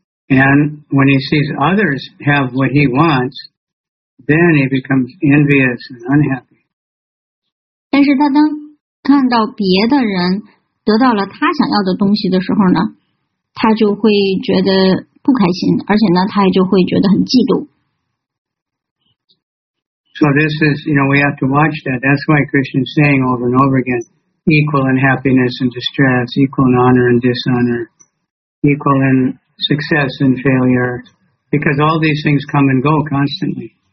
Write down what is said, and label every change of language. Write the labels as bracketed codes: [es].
[en] And when he sees others have what he wants, then he becomes envious and unhappy. [zh] 但是他当看到别的人 得到了他想要的东西的时候呢，他就会觉得不开心，而且呢，他也就会觉得很嫉妒。 [en] So this is, you know, we have to watch that. That's why Krishna is saying over and over again, equal in happiness and distress, equal in honor and dishonor, equal in success and failure, because all these things come and go constantly.